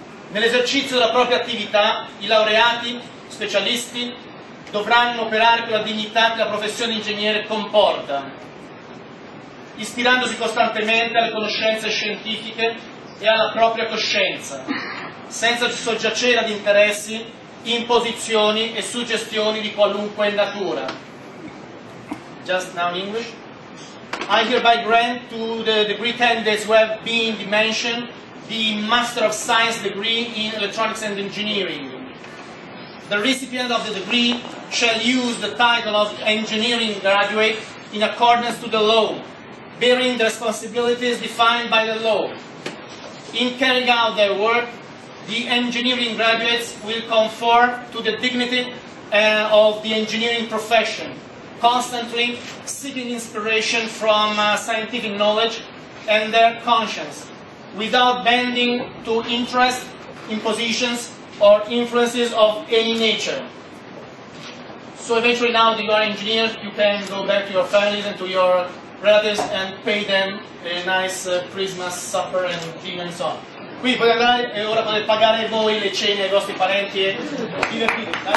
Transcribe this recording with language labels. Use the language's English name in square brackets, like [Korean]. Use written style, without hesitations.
[Italian] Nell'esercizio della propria attività, i laureati specialisti dovranno operare con la dignità che la professione di ingegnere comporta, ispirandosi costantemente alle conoscenze scientifiche e alla propria coscienza, senza soggiacere ad interessi, imposizioni e suggestioni di qualunque natura. [English] Just now in English. I hereby grant to the degree candidates who have been mentioned the Master of Science degree in Electronics and Engineering. The recipient of the degree shall use the title of engineering graduate in accordance to the law, bearing the responsibilities defined by the law. In carrying out their work, the engineering graduates will conform to the dignity of the engineering profession, constantly seeking inspiration from scientific knowledge and their conscience, without bending to interests, impositions, or influences of any nature. So eventually now that you are engineers, you can go back to your families and to your relatives and pay them a nice Christmas supper and dinner and so on. [Italian] Qui potete andare e ora potete pagare voi le cene ai vostri parenti e divertirvi.